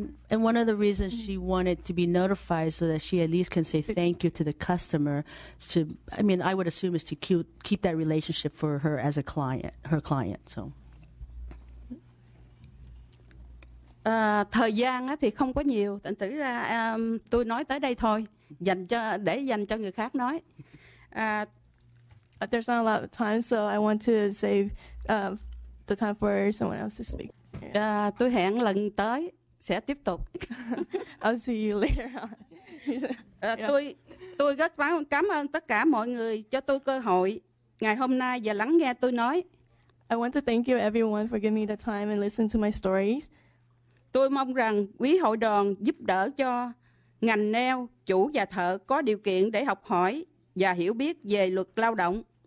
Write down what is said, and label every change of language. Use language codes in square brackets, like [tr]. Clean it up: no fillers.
[en] and one of the reasons she wanted to be notified so that she at least can say thank you to the customer, to, I mean, I would assume is to keep that relationship for her as a client, her client. So. [vi] Thời gian thì không có nhiều, thành thử ra tôi nói tới đây thôi, dành cho để dành cho người khác nói. [en] There's not a lot of time, so I want to save the time for someone else to speak. [vi] Tôi hẹn lần tới sẽ tiếp tục. [en] I'll see you later. Yeah. [vi] Tôi rất cảm ơn tất cả mọi người cho tôi cơ hội ngày hôm nay và lắng nghe tôi nói. [en] I want to thank you everyone for giving me the time and listening to my stories. [vi] Tôi mong rằng quý hội đoàn giúp đỡ cho ngành nail, chủ và thợ có điều kiện để học hỏi và hiểu biết về luật lao động.